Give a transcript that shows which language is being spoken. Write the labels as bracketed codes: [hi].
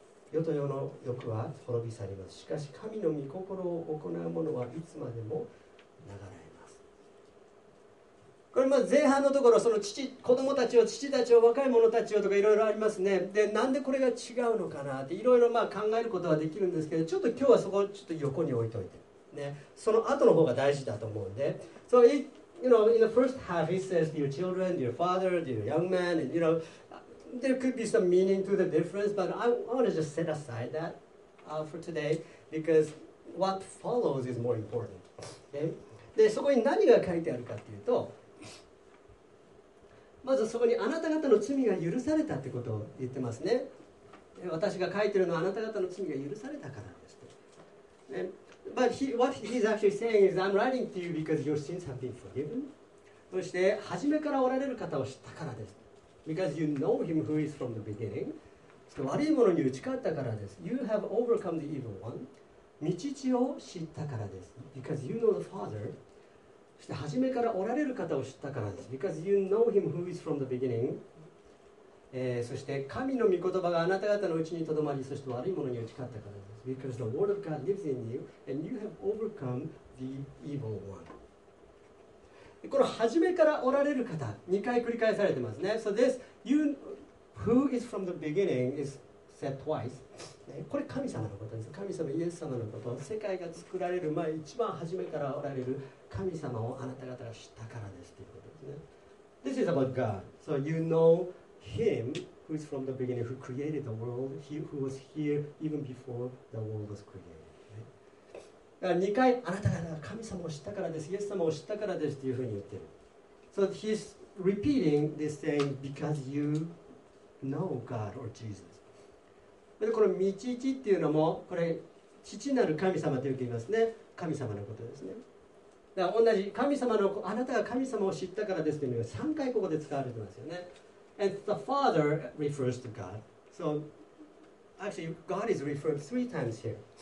[ja] 世と世の欲は滅び去ります。しかし神の御心を行う者はいつまでも長らえます。これまず前半のところ、その父、子供たちを、父たちを、若い者たちをとかいろいろありますね。でなんでこれが違うのかなっていろいろ考えることはできるんですけど、ちょっと今日はそこをちょっと横に置いといて、ね、その後の方が大事だと思うんで。 [en] So you know, in the first half he says, your children, your father, your young man, and you know, there could be some meaning to the difference, but I want to just set aside that for today, because what follows is more important. Okay? [ja] で、そこに何が書いてあるかっていうと、まずそこにあなた方の罪が許されたってことを言ってますね。私が書いてるのはあなた方の罪が許されたからです。 [en] But what he's actually saying is, I'm writing to you because your sins have been forgiven. [ja] そして、初めからおられる方を知ったからです。 [en] Because you know him who is from the beginning. [ja] そして、悪いものに打ち勝ったからです。 [en] You have overcome the evil one. [ja] 見父を知ったからです。 [en] Because you know the Father. [ja] そして、初めからおられる方を知ったからです。 [en] Because you know him who is from the beginning. [ja] そして、神の御言葉があなた方のうちにとどまり、そして悪いものに打ち勝ったからです。 [en] Because the word of God lives in you, and you have overcome the evil one. [ja] この初めからおられる方、2回繰り返されてますね。 [en] So this, you who is from the beginning is said twice. [ja] これ神様のことです。神様、イエス様のこと。世界が作られる前、一番初めからおられる神様をあなた方が知ったからですということですね。 [en] This is about God. So you know him who is from the beginning, who created the world, he who was here even before the world was created. [ja] だから2回あなた方が神様を知ったからです、イエス様を知ったからですというふうに言ってる。 [en] So he's repeating this saying because you know God or Jesus. [ja] でこの道々っていうのもこれ父なる神様というふうに言いますね、神様のことですね。だから同じ神様のあなたが神様を知ったからですというのが3回ここで使われてますよね。 [en] And the Father refers to God. So actually God is referred three times here.